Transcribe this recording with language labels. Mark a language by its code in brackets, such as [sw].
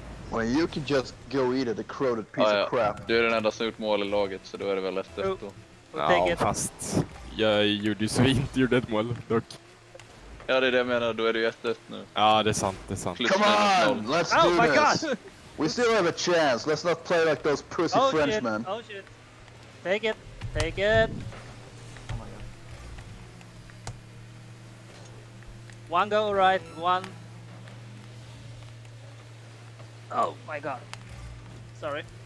[en] Well, you can just go eat at a crowded piece of crap. [sv] Du är den enda som gjort mål i laget, så då är det väl efter. Fast jag gjorde ju inte gjorde ett mål, dock. Ja, det är det jag menar. Då är du 1-1 nu. Ja, det är sant, det är sant. [en] Plus come on! 0. Let's do this! God. We still have a chance. Let's not play like those pussy Frenchmen. Oh shit. Take it. Take it. Oh my god. One go right, one. Oh my god. Sorry.